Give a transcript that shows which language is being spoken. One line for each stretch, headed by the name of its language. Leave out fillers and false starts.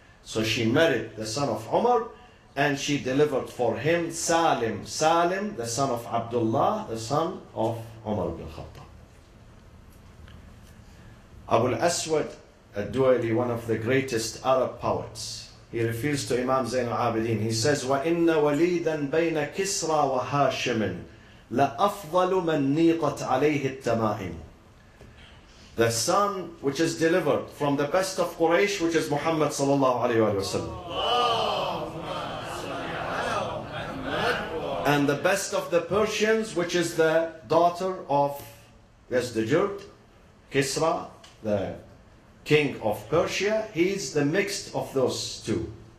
English: So she married the son of Umar and she delivered for him Salim, the son of Abdullah, the son of Umar ibn al-Khattab. Abu al-Aswad al-Duwayli, one of the greatest Arab poets, he refers to Imam Zain al-Abidin. He says,
Arabic: وَإِنَّ وَلِيدًا بَيْنَ كِسْرَى وَهَاشِمٍ لَأَفْضَلُ مَنْ نِيقَتْ عَلَيْهِ التَّمَائِمُ.
English: The son which is delivered from the best of Quraysh, which is Muhammad sallallahu alayhi wa sallam. And the best of the Persians, which is the daughter of Yazdegerd, Kisra, the king of Persia, he's the mixed of those 2.